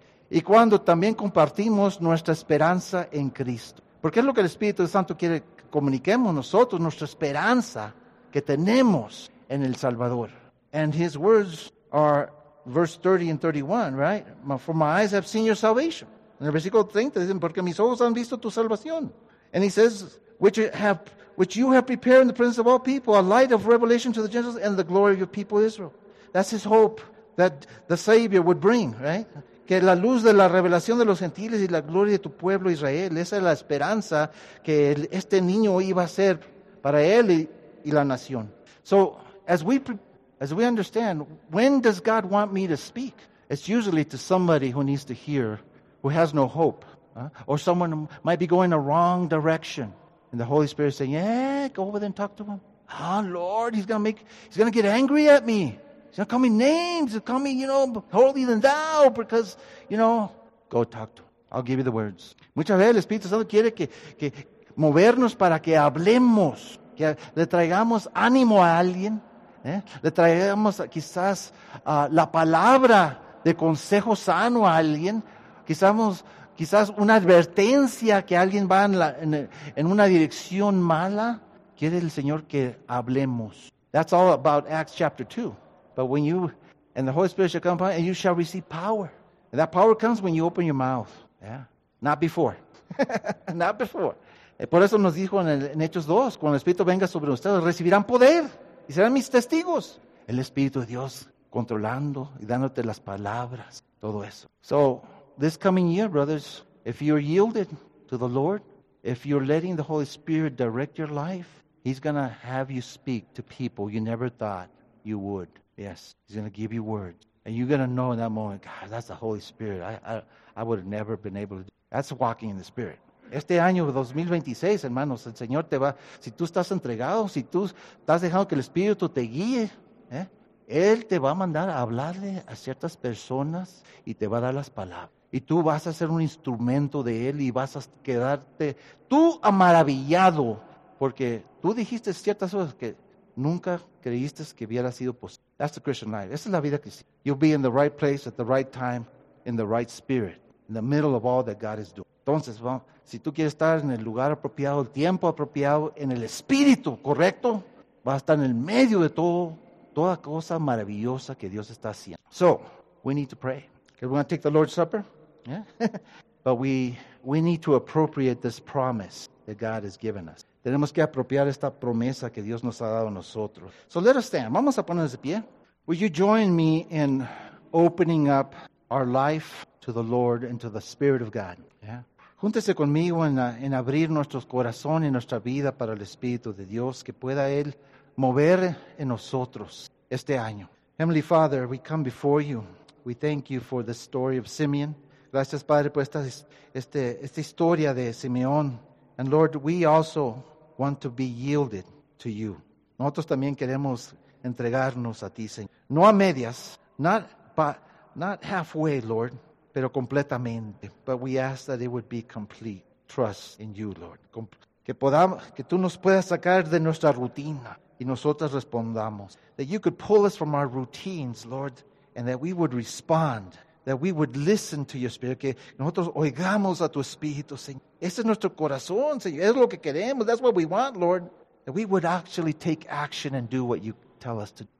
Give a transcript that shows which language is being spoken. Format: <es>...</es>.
<es>Y cuando también compartimos nuestra esperanza en Cristo. Porque es lo que el Espíritu Santo quiere que comuniquemos nosotros, nuestra esperanza que tenemos en el Salvador.</es> <en>And his words are verse 30 and 31, right? For my eyes have seen your salvation.</en> <es>En el versículo 30 dicen, porque mis ojos han visto tu salvación.</es> <en>And he says, which you have prepared in the presence of all people, a light of revelation to the Gentiles and the glory of your people Israel. That's his hope that the Savior would bring, right?</en> <es>Que la luz de la revelación de los gentiles y la gloria de tu pueblo Israel, esa es la esperanza que este niño iba a ser para él y la nación.</es> <en>So, as we understand, when does God want me to speak? It's usually to somebody who needs to hear, who has no hope. Or someone might be going the wrong direction. And the Holy Spirit is saying, yeah, go over there and talk to him. Oh, Lord, he's going to get angry at me. He's going to call me names. He's going to call me, you know, holy than thou. Because, you know, go talk to him. I'll give you the words.</en> <es>Muchas veces el Espíritu Santo quiere que movernos para que hablemos. Que le traigamos ánimo a alguien. Le traigamos quizás la palabra de consejo sano a alguien. Quizás una advertencia que alguien va en una dirección mala. Quiere el Señor que hablemos.</es> <en>That's all about Acts chapter 2. But when you, and the Holy Spirit shall come upon you, and you shall receive power. And that power comes when you open your mouth. Yeah. Not before. Not before.</en> <es>Por eso nos dijo en Hechos 2, cuando el Espíritu venga sobre ustedes, recibirán poder. Y serán mis testigos. El Espíritu de Dios controlando y dándote las palabras. Todo eso.</es> <en>So, this coming year, brothers, if you're yielded to the Lord, if you're letting the Holy Spirit direct your life, He's going to have you speak to people you never thought you would. Yes, He's going to give you words. And you're going to know in that moment, God, that's the Holy Spirit. I would have never been able to do that. That's walking in the Spirit.</en> <es>Este año 2026, hermanos, el Señor te va. Si tú estás entregado, si tú estás dejando que el Espíritu te guíe, ¿eh? Él te va a mandar a hablarle a ciertas personas y te va a dar las palabras. Y tú vas a ser un instrumento de Él y vas a quedarte tú maravillado porque tú dijiste ciertas cosas que nunca creíste que hubiera sido posible.</es> <en>That's the Christian life.</en> <es>Esa es la vida cristiana.</es> <en>You'll be in the right place at the right time, in the right spirit, in the middle of all that God is doing.</en> <es>Entonces, bueno, si tú quieres estar en el lugar apropiado, el tiempo apropiado, en el espíritu correcto, vas a estar en el medio de todo, toda cosa maravillosa que Dios está haciendo.</es> <en>So, we need to pray. Because we're going to take the Lord's Supper. Yeah. But we need to appropriate this promise that God has given us.</en> <es>Tenemos que apropiar esta promesa que Dios nos ha dado a nosotros.</es> <en>So let us stand.</en> <es>Vamos a ponernos de pie.</es> <en>Will you join me in opening up our life to the Lord and to the Spirit of God? Yeah.</en> <es>Júntese conmigo en abrir nuestro corazón y nuestra vida para el Espíritu de Dios, que pueda Él mover en nosotros este año.</es> <en>Heavenly Father, we come before you. We thank you for the story of Simeon.</en> <es>Gracias, Padre, por esta historia de Simeón.</es> <en>And Lord, we also want to be yielded to you.</en> <es>Nosotros también queremos entregarnos a ti, Señor. No a medias,</es> <en>not halfway, Lord,</en> <es>pero completamente.</es> <en>But we ask that it would be complete trust in you, Lord.</en> <es>Que tú nos puedas sacar de nuestra rutina y nosotros respondamos.</es> <en>That you could pull us from our routines, Lord, and that we would respond, that we would listen to your Spirit,</en> <es>que nosotros oigamos a tu Espíritu, Señor. Ese es nuestro corazón, Señor. Es lo que queremos.</es> <en>That's what we want, Lord. That we would actually take action and do what you tell us to do.</en>